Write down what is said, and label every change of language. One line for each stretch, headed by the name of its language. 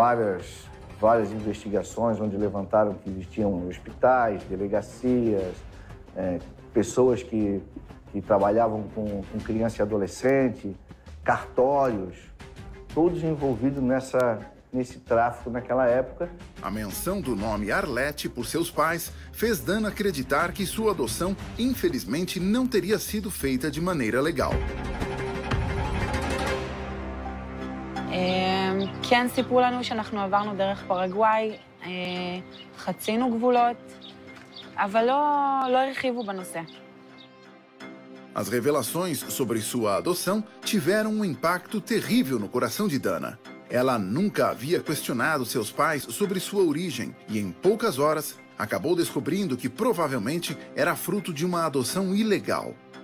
Portuguese: Houve várias investigações onde levantaram que existiam hospitais, delegacias, pessoas que trabalhavam com criança e adolescente, cartórios, todos envolvidos nesse tráfico naquela época. A menção do nome Arlete por seus pais fez Dana acreditar que sua adoção, infelizmente, não teria sido feita de maneira legal.
Hebrew: כן, סיפרו לנו שאנחנו עברנו דרך פרגוואי, חצינו גבולות, אבל לא הרחיבו בנושא.
Portuguese: As revelações sobre sua adoção tiveram um impacto terrível no coração de Dana. Ela nunca havia questionado seus pais sobre sua origem e, em poucas horas, acabou descobrindo que provavelmente era fruto de uma adoção ilegal.